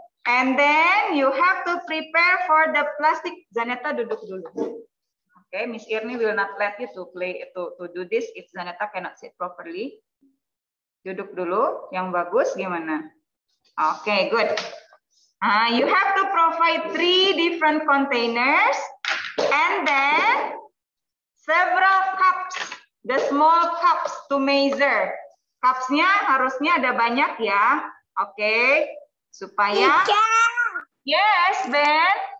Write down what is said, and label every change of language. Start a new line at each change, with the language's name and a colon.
English: And then you have to prepare for the plastic. Zaneta
Indonesian: duduk dulu.
English: Okay, Miss Irni will not let you to play to do this if Zaneta cannot sit properly.
Indonesian: Duduk dulu, yang bagus gimana?
English: Okay, good. You have to provide 3 different containers and then several cups, the small cups to measure.
Indonesian: Cupsnya harusnya ada banyak ya. Okay. Supaya yes, Ben.